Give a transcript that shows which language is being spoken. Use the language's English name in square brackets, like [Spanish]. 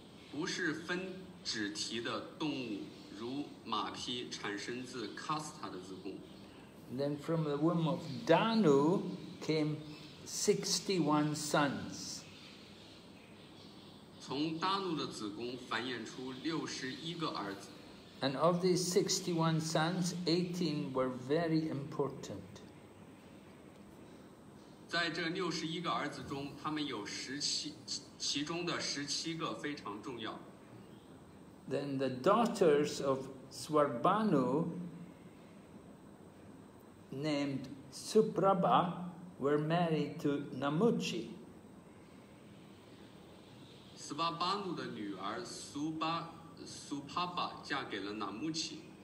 [Chinese] 不是分趾蹄的动物，如马匹，产生自 Kasta 的子宫。 [English] Then from the womb of Danu came 61 sons. [Chinese] 从达努的子宫繁衍出六十一个儿子。 [English] And of these 61 sons, 18 were very important. [Chinese] 在这六十一个儿子中，他们有十七，其中的十七个非常重要。 [English] Then the daughters of Swarbanu, named Suprabha, were married to Namuchi. [Chinese] Svabhanu 的女儿 Supapa 嫁给了 Namuchi.